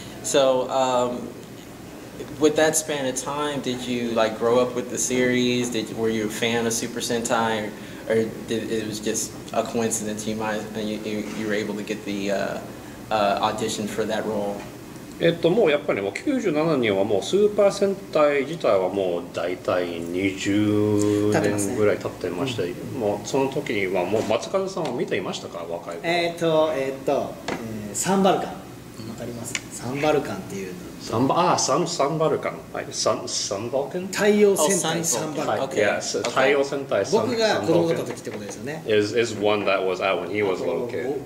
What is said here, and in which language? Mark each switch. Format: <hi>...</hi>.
<en>So, with that span of time, did you like grow up with the series? Were you a fan of Super Sentai, or did it was just a coincidence you were able to get the audition for that role?</en> <ja>もうやっぱりもう97年はもうスーパー戦隊自体はもう大体20年ぐらい経ってました。もうその時にはもう松風さんを見ていましたか、若い頃。サンバルカン、わかります？サンバルカンっていうの。サンバルカン、はい、サンバルカン。太陽戦隊サンバルカン。 Yes, 太陽戦隊サンバルカン。僕が子供だった時ってことですよね。</ja> <en>Is one that was out when he was a little kid.</en>